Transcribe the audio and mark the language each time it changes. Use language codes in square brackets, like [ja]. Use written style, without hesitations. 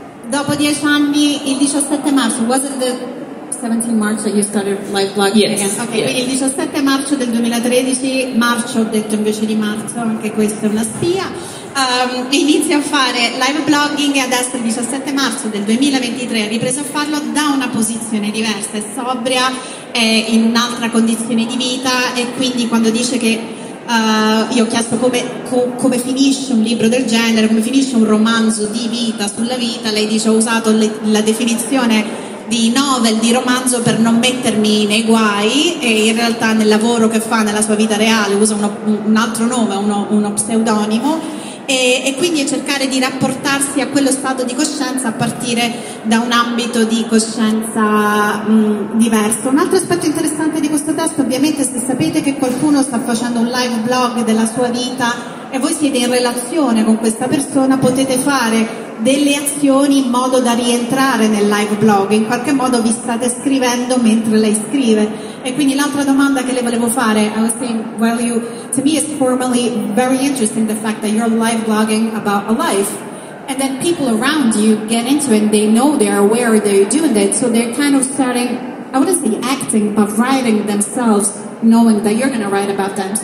[it] Dopo 10 anni, il 17 marzo, [en] was it the 17 March that you started live blogging? Yes. Again? Okay, yes. [it] Quindi il 17 marzo del 2013, marzo, ho detto invece di marzo, anche questa è una spia. Inizia a fare live blogging, e adesso il 17 marzo del 2023 ha ripreso a farlo da una posizione diversa, è sobria, è in un'altra condizione di vita, e quindi quando dice che io ho chiesto come finisce un libro del genere, come finisce un romanzo di vita sulla vita, lei dice ho usato la definizione di novel, di romanzo, per non mettermi nei guai, e in realtà nel lavoro che fa, nella sua vita reale, usa un altro nome, uno pseudonimo. E quindi cercare di rapportarsi a quello stato di coscienza a partire da un ambito di coscienza diverso. Un altro aspetto interessante di questo testo, ovviamente, se sapete che qualcuno sta facendo un live blog della sua vita e voi siete in relazione con questa persona, potete fare delle azioni in modo da rientrare nel live blog, in qualche modo vi state scrivendo mentre lei scrive. E quindi l'altra domanda che le volevo fare, [en] I was saying, well, you, to me it's formally very interesting the fact that you're live blogging about a life, and then people around you get into it and they know, they're aware that you're doing that, so they're kind of starting, I wouldn't say acting, but writing themselves, knowing that you're going to write about them.